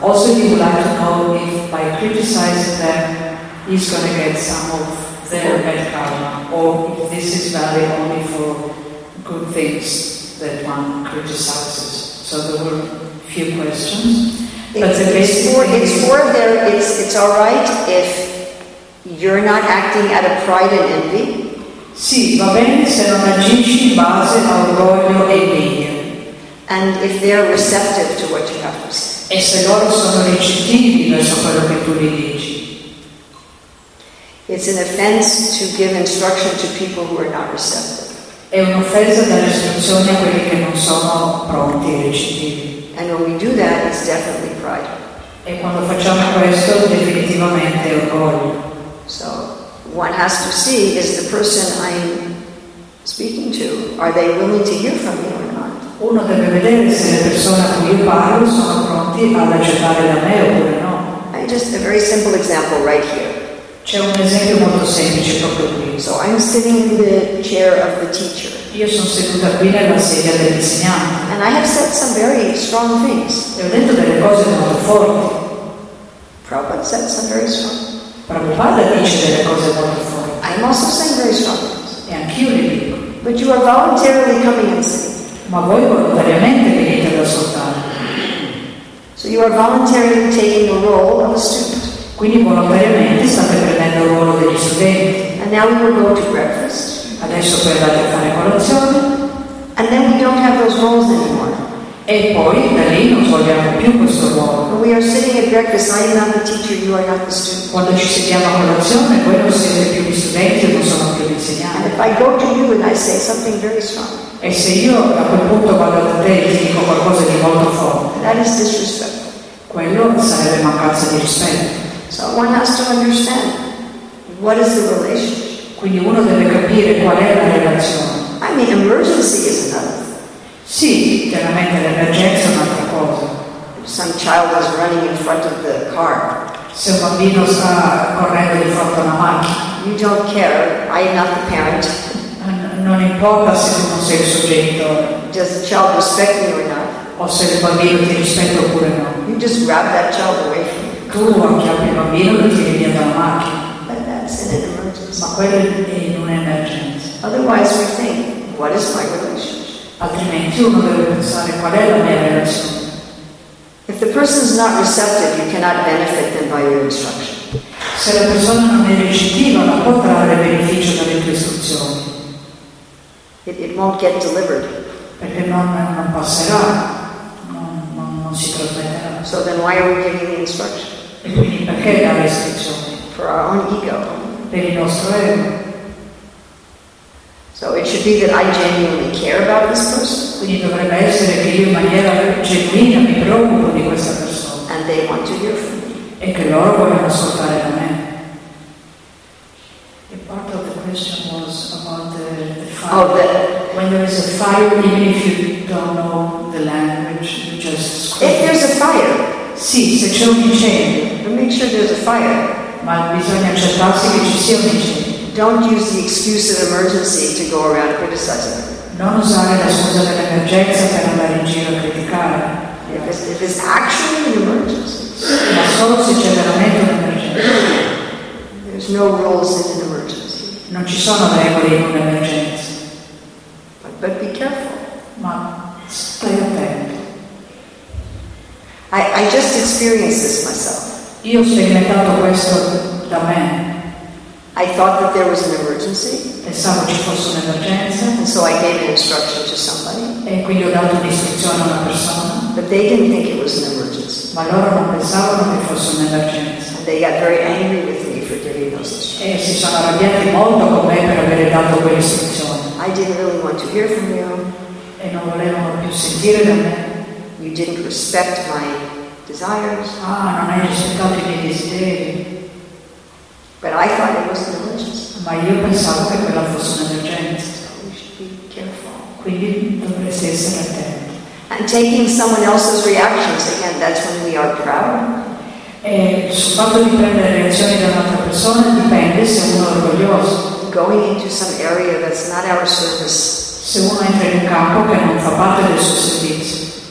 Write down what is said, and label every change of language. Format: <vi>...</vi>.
<en>Also, he would like to know if by criticizing them, he's going to get some of their bad karma, or if this is valid only for good things that one criticizes. So there were a few questions. It's all right if you're not acting out of pride and envy.</en> <it>Sì, va bene se non agisci in base a orgoglio e invidia.</it> <en>And if they are receptive to what you have to say.</en> <it>E se loro sono ricettivi verso quello che tu gli dici.</it> <en>It's an offense to give instruction to people who are not receptive.</en> <it>È un'offesa dare istruzioni a quelli che non sono pronti e ricettivi.</it> <en>And when we do that, it's definitely pride.</en> <it>E quando facciamo questo, definitivamente è orgoglio.</it> <en>So one has to see, is the person I'm speaking to, are they willing to hear from me or not?</en> <it>Uno deve vedere se le persone a cui io parlo sono pronti ad accettare da me oppure no.</it> <en>I just a very simple example right here.</en> <it>C'è un esempio molto semplice proprio qui.</it> <en>So I'm sitting in the chair of the teacher.</en> <it>Io sono seduta qui nella sedia dell'insegnante.</it> <en>And I have said some very strong things.</en> <it>E ho detto delle cose molto forti.</it> <en>Prabhupada said some very strong things.</en> <it>Prabhupada dice delle cose molto forti.</it> <en>I'm also saying very strong things.</en> <it>E anch'io le dico.</it> <en>But you are voluntarily coming and sitting.</en> <it>Ma voi volontariamente venite ad ascoltare.</it> <en>So you are voluntarily taking the role of a student.</en> <it>Quindi volontariamente state prendendo il ruolo degli studenti.</it> <en>And now we will go to breakfast.</en> <it>Adesso poi andate a fare colazione.</it> <en>And then we don't have those roles anymore.</en> <it>E poi da lì non vogliamo più questo ruolo.</it> <en>We are sitting at breakfast, I am not the teacher, you are not the student.</en> <it>Quando ci sediamo a colazione, voi non siete più gli studenti, io non sono più l'insegnante.</it> <en>If I go to you and I say something very strong.</en> <it>E se io a quel punto vado da te e ti dico qualcosa di molto forte.</it> <en>That is disrespectful.</en> <it>Quello sarebbe mancanza di rispetto.</it> <en>So one has to understand what is the relationship.</en> <it>Quindi uno deve capire qual è la relazione.</it> <en>I mean, emergency is another.</en> <it>Sì, chiaramente l'emergenza è un'altra cosa.</it> <en>Some child is running in front of the car.</en> <it>Se un bambino sta correndo di fronte a una macchina.</it> <en>You don't care. I am not the parent.</en> <it>Non importa se tu non sei il soggetto.</it> <en>Does the child respect me or not?</en> <it>O se il bambino ti rispetta oppure no.</it> <en>You just grab that child away from</en> <it>me. Tu acchiappi il bambino e lo tiri via dalla macchina. Ma quello è in un'emergenza.</it> <en>Otherwise we think, what is my relationship?</en> <it>Altrimenti uno deve pensare qual è la mia relazione.</it> <en>If the person is not receptive, you cannot benefit them by your instruction.</en> <it>Se la persona non è recettiva, non può trarre beneficio dalle tue istruzioni.</it> <en>It won't get delivered.</en> <it>Perché non passerà, non si trasmetterà.</it> <en>So then why are we giving the instruction?</en> <it>Perché dare istruzioni?</it> <en>For our own ego.</en> <it>Per il nostro ego.</it> <en>So it should be that I genuinely care about this person.</en> <it>Quindi dovrebbe essere che io in maniera genuina mi preoccupo di questa persona.</it> <en>And they want to hear from me.</en> <it>E che loro vogliono ascoltare da me.</it> <en>The part of the question was about the fire. Oh, the, when there is a fire, even if you don't know the language, you just scream. If there's a fire.</en> <it>Sì, se c'è un incendio.</it> <en>Make sure there's a fire.</en> <it>Ma bisogna accertarsi che ci sia un incendio.</it> <en>Don't use the excuse of emergency to go around criticizing.</en> <it>Non usare la scusa dell'emergenza per andare in giro a criticare.</it> <en>If it's actually an emergency.</en> <it>Ma solo se c'è veramente un'emergenza.</it> <en>There's no rules in an emergency.</en> <it>Non ci sono regole in un'emergenza.</it> <en>But be careful.</en> <it>Ma stai attento.</it> <en>I just experienced this myself.</en> <it>Io ho sperimentato questo da me.</it> <en>I thought that there was an emergency.</en> <it>Pensavo ci fosse un'emergenza.</it> <en>And so I gave an instruction to somebody.</en> <it>E quindi ho dato un'istruzione a una persona.</it> <en>But they didn't think it was an emergency.</en> <it>Ma loro non pensavano che fosse un'emergenza.</it> <en>And they got very angry with me for giving those instructions.</en> <it>E si sono arrabbiati molto con me per aver dato quell'istruzione.</it> <en>I didn't really want to hear from you.</en> <it>E non volevano più sentire da me.</it> <en>You didn't respect my desires.</en> <it>Ah, non hai rispettato i miei desideri.</it> <en>But I thought it was an emergency.</en> <it>Ma io pensavo che quella fosse un'emergenza.</it> <en>So we should be careful.</en> <it>Quindi dovresti essere attenti.</it> <en>And taking someone else's reactions, again, that's when we are proud.</en> <it>E sul fatto di prendere reazioni da un'altra persona dipende se uno è orgoglioso.</it> <en>Going into some area that's not our service.</en> <it>Se uno entra in un campo che non fa parte del suo servizio.</it>